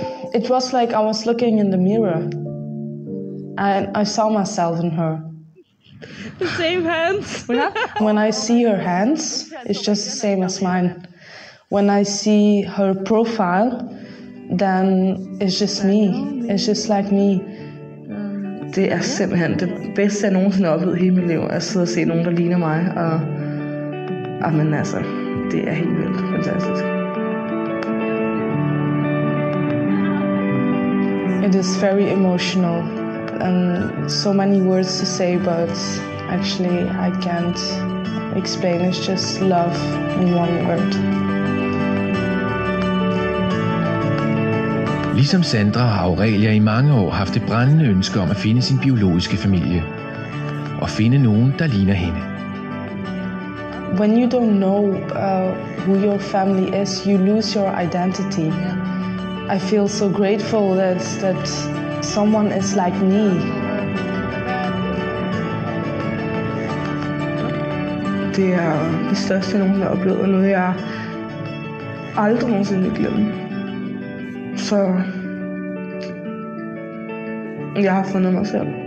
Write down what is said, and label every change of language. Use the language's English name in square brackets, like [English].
[English] It was like I was looking in the mirror, and I saw myself in her. The same hands? Yeah. When I see her hands, it's just the same as mine. When I see her profile, then it's just me. It's just like me. [Danish] Det er simpelthen det bedste, jeg nogensinde oplevet i hele mit liv, at sidde og se nogen, der ligner mig. Men altså, det er helt vildt fantastisk. [English] It is very emotional and so many words to say, but actually I can't explain. It's just love in one word. [Danish] Ligesom Sandra har Aurelia i mange år haft et brændende ønske om at finde sin biologiske familie og finde nogen, der ligner hende. [English] When you don't know who your family is, you lose your identity. I feel so grateful that someone is like me. [Danish] Det er det største, jeg nogensinde har oplevet, og noget, jeg aldrig nogensinde vil glemme. Så jeg har fundet mig selv.